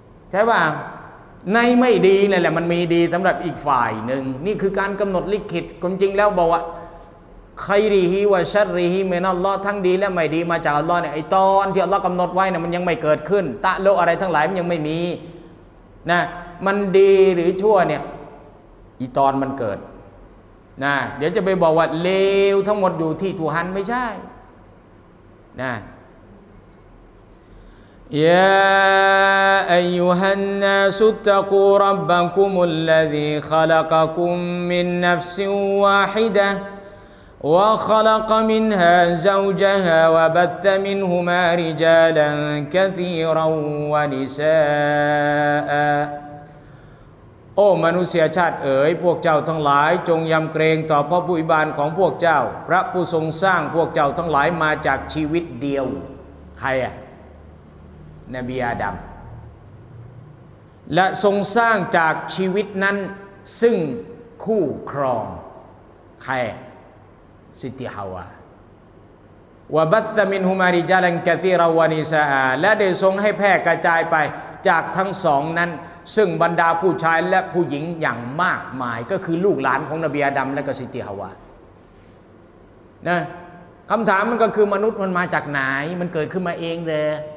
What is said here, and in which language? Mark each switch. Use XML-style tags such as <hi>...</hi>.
<th>ใช่ป่ะในไม่ดีนั่นแหละมันมีดีสำหรับอีกฝ่ายนึงนี่คือการกำหนดลิขิตความจริงแล้วบอกว่าใครรีฮีว่าชัดรีฮีเมนัลลอทั้งดีและไม่ดีมาจากอัลลอฮ์เนี่ยไอตอนที่อัลลอฮ์กำหนดไว้เนี่ยมันยังไม่เกิดขึ้นตะโลอะไรทั้งหลายมันยังไม่มีนะมันดีหรือชั่วเนี่ยไอตอนมันเกิดนะเดี๋ยวจะไปบอกว่าเลวทั้งหมดอยู่ที่ทูฮันไม่ใช่นะ</th> <ar>يا أيها الناس اتقوا ربكم الذي خلقكم من نفس واحدة وخلق منها زوجها وبث منهما رجالا كثيرا ونساء</ar> <th>โอ้มนุษยชาติเอ๋ยพวกเจ้าทั้งหลายจงยำเกรงต่อพระผู้อภิบาลของพวกเจ้าพระผู้ทรงสร้างพวกเจ้าทั้งหลายมาจากชีวิตเดียวใครอะนบีอาดัม และทรงสร้างจากชีวิตนั้นซึ่งคู่ครองใครสิทธิฮาวา</th> <ar>วะบัตตะมินฮุมาริจาลันกะซีรอวะนิซาอา</ar> <th>และได้ทรงให้แพร่กระจายไปจากทั้งสองนั้นซึ่งบรรดาผู้ชายและผู้หญิงอย่างมากมายก็คือลูกหลานของนบีอาดัมและก็สิทธิฮาวานะคำถามมันก็คือมนุษย์มันมาจากไหนมันเกิดขึ้นมาเองเลย</th>